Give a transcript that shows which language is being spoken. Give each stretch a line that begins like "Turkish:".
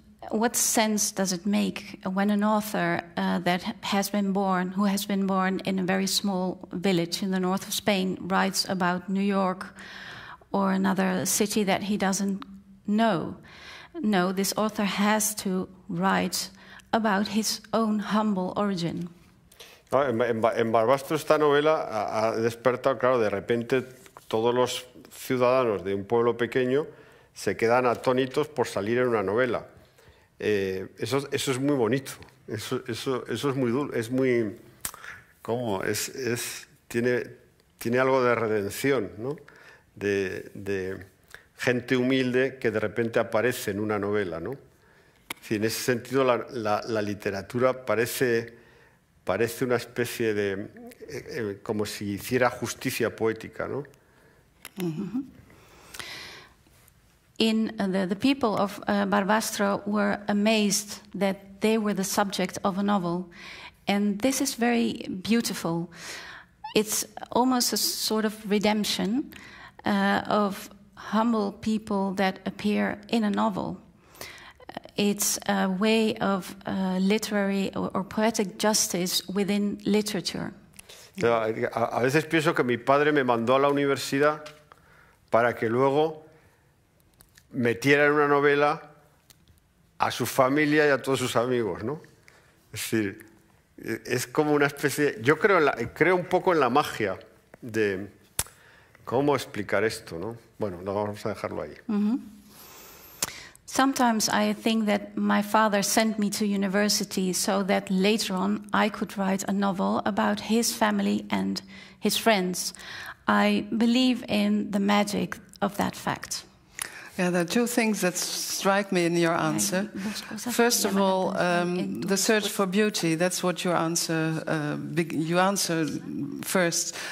English: What sense does it make when an author who has been born in a very small village in the north of Spain writes about New York or another city that he doesn't know? No, this author has to write about his own humble origin.
Spanish: No, en Barbastro esta novela ha despertado, claro, de repente todos los ciudadanos de un pueblo pequeño se quedan atónitos por salir en una novela. Eso es muy bonito. Eso es muy duro. Es muy, ¿cómo? Tiene algo de redención, ¿no? De gente humilde que de repente aparece en una novela, ¿no? Si en ese sentido la literatura parece una especie de como si hiciera justicia poética, ¿no?
English: In the people of Barbastro were amazed that they were the subject of a novel, and this is very beautiful. It's almost a sort of redemption of humble people that appear in a novel. It's a way of literary or poetic justice within literature.
Spanish: A veces pienso que mi padre me mandó a la universidad para que luego metiera en una novela a su familia y a todos sus amigos, ¿no? Es decir, es como una especie de, yo creo un poco en la magia de cómo explicar esto, ¿no? Bueno, no vamos a dejarlo ahí.
English: Sometimes I think that my father sent me to university so that later on I could write a novel about his family and his friends. I believe in the magic of that fact. Yeah, there are two things that strike me in your answer. First of all, the search for beauty, that's what your answer, you answer first.